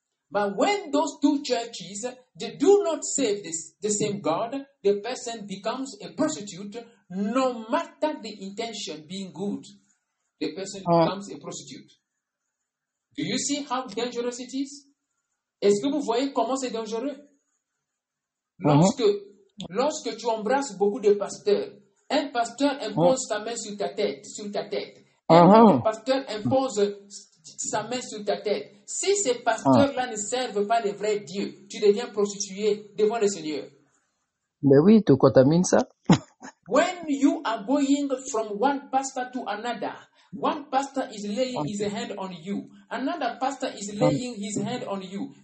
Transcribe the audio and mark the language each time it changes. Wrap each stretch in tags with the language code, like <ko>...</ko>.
<en>But when those two churches they do not serve the same God, the person becomes a prostitute no matter the intention being good. The person becomes a prostitute. Do you see how dangerous it is?</en> <fr>Est-ce que vous voyez comment c'est dangereux? Lorsque tu embrasses beaucoup de pasteurs, un pasteur impose sa main sur ta tête, Un pasteur impose sa main sur ta tête. Si ces pasteurs-là ne servent pas les vrais dieux, tu deviens prostitué devant le Seigneur. Mais oui, tu contamines ça.</fr> <en>When you are going from one pastor to another, one pastor is laying his hand on you. Another pastor is laying his hand on you.</en>